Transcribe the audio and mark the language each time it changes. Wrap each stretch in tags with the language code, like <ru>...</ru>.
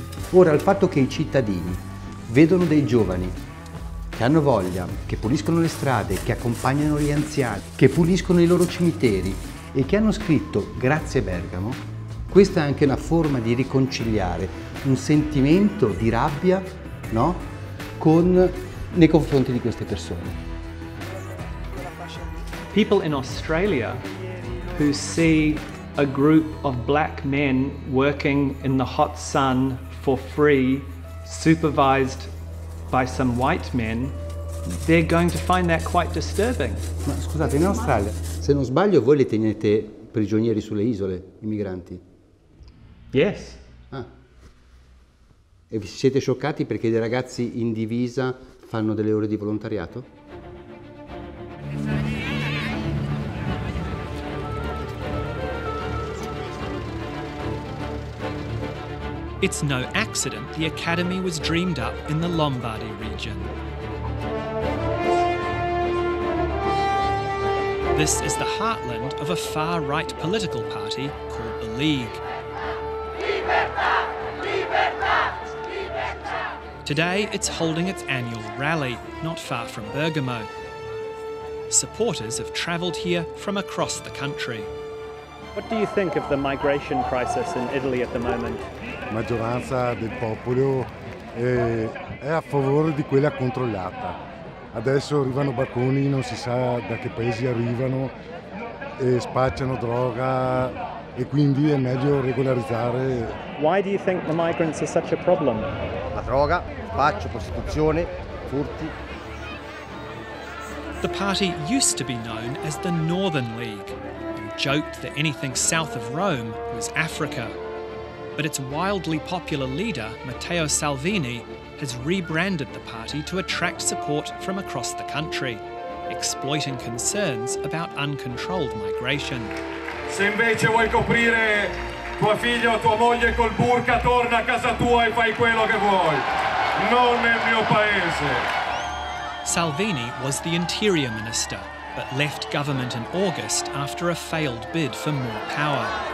<it>Ora il fatto che i cittadini vedono dei giovani che hanno voglia, che puliscono le strade, che accompagnano gli anziani, che puliscono i loro cimiteri e che hanno scritto grazie Bergamo, questa è anche una forma di riconciliare un sentimento di rabbia, no? Nei confronti di queste persone.</it> <en>People in Australia who see a group of black men working in the hot sun for free, supervised by some white men, they're going to find that quite disturbing.</en> <it>Ma scusate, in Australia, se non sbaglio, voi li tenete prigionieri sulle isole, i migranti?</it> <en>Yes.</en> <it>E vi siete scioccati perché dei ragazzi in divisa fanno delle ore di volontariato?</it> <en>It's no accident the academy was dreamed up in the Lombardy region. This is the heartland of a far-right political party called the League.</en> <it>Libertà!</it> <en>Today, it's holding its annual rally not far from Bergamo. Supporters have travelled here from across the country. What do you think of the migration crisis in Italy at the moment?</en> <it>La maggioranza del popolo è a favore di quella controllata. Adesso arrivano barconi, non si sa da che paesi arrivano, e spacciano droga, e quindi è meglio regolarizzare.</it> <en>Why do you think the migrants are such a problem?</en> <it>La droga, spaccio, prostituzione, furti.</it> <en>The party used to be known as the Northern League, and joked that anything south of Rome was Africa. But its wildly popular leader, Matteo Salvini, has rebranded the party to attract support from across the country, exploiting concerns about uncontrolled migration.</en> <it>Se invece vuoi coprire tua figlia o tua moglie col burka, torna a casa tua e fai quello che vuoi, non nel mio paese.</it> <en>Salvini was the interior minister, but left government in August after a failed bid for more power.</en>